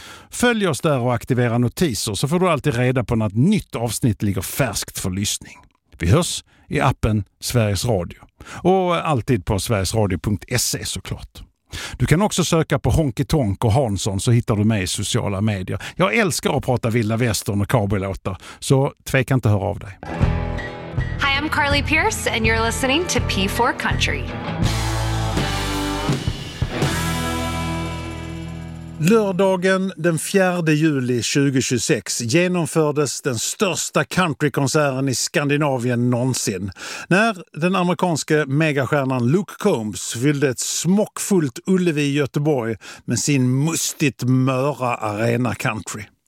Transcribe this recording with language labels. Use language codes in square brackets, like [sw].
[sv] Följ oss där och aktivera notiser så får du alltid reda på när ett nytt avsnitt ligger färskt för lyssning. Vi hörs i appen Sveriges Radio. Och alltid på sverigesradio.se såklart. Du kan också söka på Honky Tonk och Hansson så hittar du mig i sociala medier. Jag älskar att prata vilda västern och cowboylåtar, så tveka inte höra av dig. [en] Hi, I'm Carly Pierce and you're listening to P4 Country. [sv] Lördagen den 4 juli 2026 genomfördes den största countrykonserten i Skandinavien någonsin. När den amerikanske megastjärnan Luke Combs fyllde ett smockfullt Ullevi i Göteborg med sin mustigt möra arena country.